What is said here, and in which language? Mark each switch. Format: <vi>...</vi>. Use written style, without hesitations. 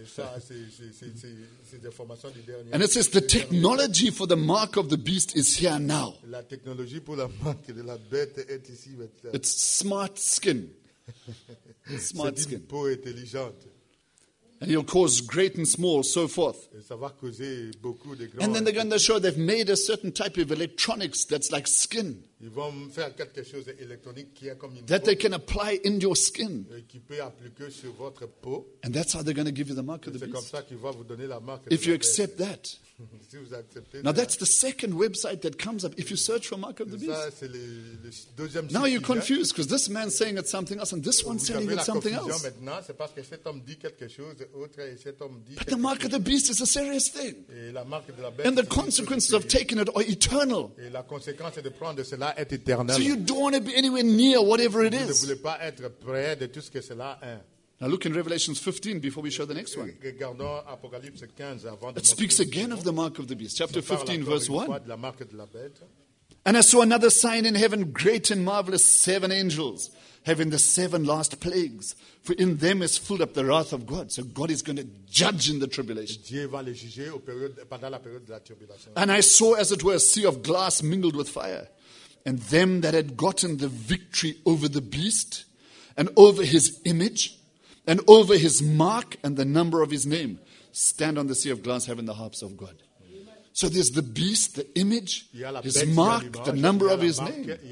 <en>And it says the technology for the mark of the beast is here now.</en> <fr>La technologie pour la marque de la bête est ici.</fr> <en>It's smart skin. Smart</en> <fr>c'est</fr> <en>skin.</en> <fr>Une peau intelligente.</fr> <en>And he'll cause great and small, so forth.</en> <fr>Et ça va causer beaucoup de grands.</fr> <en>And then they're going to show they've made a certain type of electronics that's like skin.</en> <fr>Ils vont faire quelque chose d'électronique qui est comme une</fr> <en>that peau. They can apply in your skin.</en> <fr>Et qui peut appliquer sur votre peau.</fr> <en>And that's how they're going to give you the mark</en> <fr>et</fr> <en>of the</en> <fr>c'est</fr> <en>beast.</en> <fr>Comme ça qu'ils vont vous donner la marque</fr> <en>if you accept that.</en> <fr>Si vous acceptez</fr> <en>now that's the second website that comes up if you search for mark of the beast.</en> <fr>Ça, c'est le deuxième</fr> <en>now you're confused because this man's saying it's something else and this one's saying it's something else.</en> <fr>Maintenant, c'est parce que cet homme dit quelque chose.</fr> <en>But the mark of the beast is a serious thing.</en> <fr>Et la marque de la bête,</fr> <en>and the consequences of taking it are eternal.</en> <fr>Et la conséquence de prendre cela est éternelle.</fr> <en>So you don't want to be anywhere near whatever it is.</en> <fr>Vous ne voulez pas être près de tout ce que cela est.</fr> <en>Now look in Revelation 15 before we show the next one.</en> <fr>Regardons Apocalypse 15 avant de</fr> <en>it speaks again of the mark of the beast. Chapter 15, verse 1.</en> <fr>De la marque de la bête.</fr> <en>And I saw another sign in heaven, great and marvelous, seven angels. Having the seven last plagues, for in them is filled up the wrath of God. So God is going to judge in the tribulation.</en> <fr>Dieu va les juger au période, pendant la période de la tribulation.</fr> <en>And I saw, as it were, a sea of glass mingled with fire, and them that had gotten the victory over the beast, and over his image, and over his mark, and the number of his name, stand on the sea of glass, having the harps of God. So there's the beast, the image, his mark, the number of his name.</en>